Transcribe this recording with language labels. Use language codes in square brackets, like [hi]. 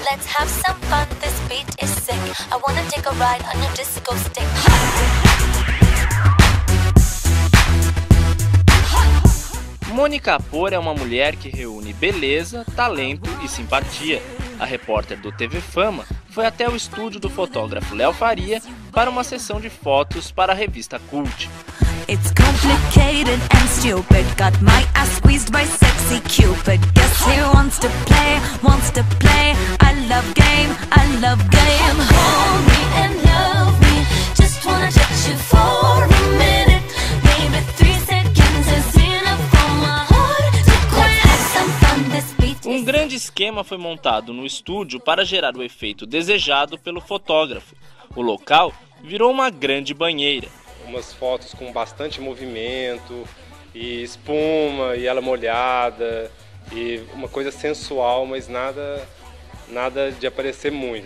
[en] Let's have some fun, this beat is sick. I wanna take a ride on your disco stick. [pt] Mônica Apor é uma mulher que reúne beleza, talento e simpatia. A repórter do TV Fama foi até o estúdio do fotógrafo Léo Faria para uma sessão de fotos para a revista Cult. [en] It's complicated and stupid. Got my ass squeezed by sexy Cupid. Guess who wants to play, wants to play. I love game, I love game. Hold me and love me. Just wanna touch you for a minute. Maybe 3 seconds is enough for my heart to quit. Let's have some fun, this beat is... [pt] Um grande esquema foi montado no estúdio para gerar o efeito desejado pelo fotógrafo. O local virou uma grande banheira. Umas fotos com bastante movimento e espuma e ela molhada e uma coisa sensual, mas nada de aparecer muito.